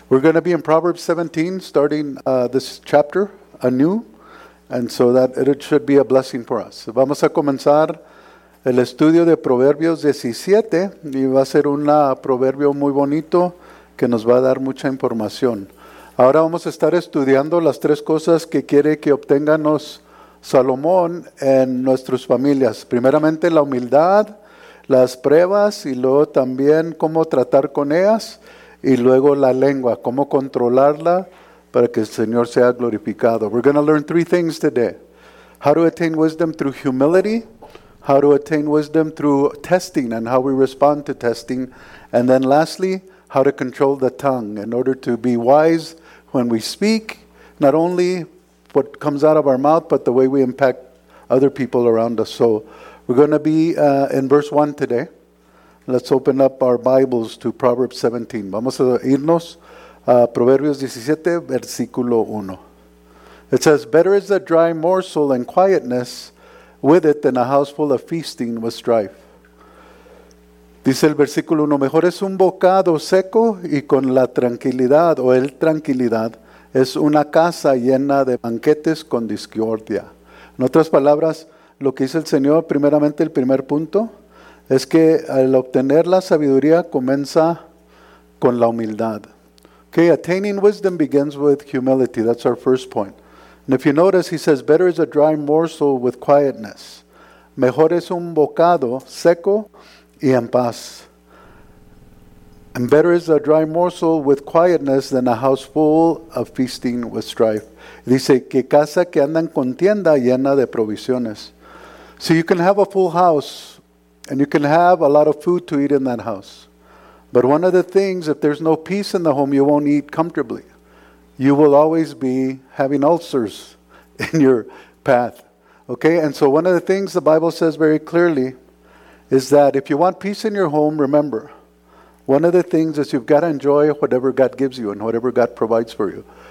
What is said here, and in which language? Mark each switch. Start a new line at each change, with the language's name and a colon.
English: We're going to be in Proverbs 17, starting this chapter anew, and so that it should be a blessing for us.
Spanish: Vamos a comenzar el estudio de Proverbios 17, y va a ser un proverbio muy bonito que nos va a dar mucha información. Ahora vamos a estar estudiando las tres cosas que quiere que obtengamos Salomón en nuestras familias. Primeramente, la humildad, las pruebas, y luego también cómo tratar con ellas. Y luego la lengua, cómo controlarla para que el Señor sea glorificado.
English: We're going to learn three things today. How to attain wisdom through humility. How to attain wisdom through testing and how we respond to testing. And then lastly, how to control the tongue in order to be wise when we speak. Not only what comes out of our mouth, but the way we impact other people around us. So we're going to be in verse 1 today. Let's open up our Bibles to Proverbs 17.
Spanish: Vamos a irnos a Proverbios 17, versículo 1.
English: It says, better is a dry morsel and quietness with it than a house full of feasting with strife.
Spanish: Dice el versículo 1, mejor es un bocado seco y con la tranquilidad, o el tranquilidad, es una casa llena de banquetes con discordia. En otras palabras, lo que dice el Señor, primeramente el primer punto, es que al obtener la sabiduría comienza con la humildad.
English: Okay, attaining wisdom begins with humility. That's our first point. And if you notice, he says, better is a dry morsel with quietness.
Spanish: Mejor es un bocado seco y en paz.
English: And better is a dry morsel with quietness than a house full of feasting with strife.
Spanish: Dice, que casa que anda en contienda llena de provisiones.
English: So you can have a full house, and you can have a lot of food to eat in that house. But one of the things, if there's no peace in the home, you won't eat comfortably. You will always be having ulcers in your path. Okay? And so one of the things the Bible says very clearly is that if you want peace in your home, remember, one of the things is you've got to enjoy whatever God gives you and whatever God provides for you.